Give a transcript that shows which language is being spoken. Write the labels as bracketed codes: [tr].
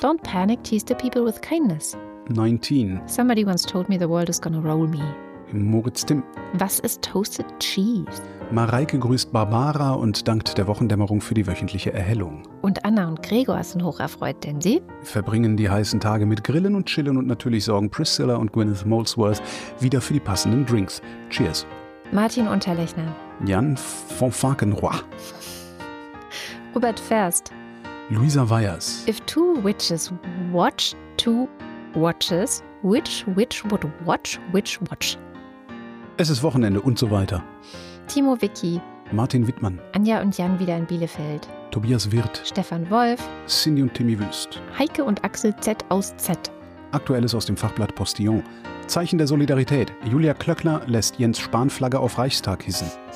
[en] Don't panic, tease the people with kindness. 19. Somebody once told me the world is gonna roll me. [de] Moritz Timm. Was ist Toasted Cheese? Mareike grüßt Barbara und dankt der Wochendämmerung für die wöchentliche Erhellung. Und Anna und Gregor sind hocherfreut, denn sie verbringen die heißen Tage mit Grillen und Chillen und natürlich sorgen Priscilla und Gwyneth Molesworth wieder für die passenden Drinks. [en] Cheers. [de] Martin Unterlechner. Jan von Fakenroy. Robert Ferst. Luisa Weyers. [en] If two witches watch two watches, which witch would watch which watch? [de] Es ist Wochenende und so weiter. Timo Wicki. Martin Wittmann. Anja und Jan wieder in Bielefeld. Tobias Wirth. Stefan Wolf. Cindy und Timmy Wüst. Heike und Axel Z aus Z. Aktuelles aus dem Fachblatt Postillon. Zeichen der Solidarität. Julia Klöckner lässt Jens Spahn Flagge auf Reichstag hissen.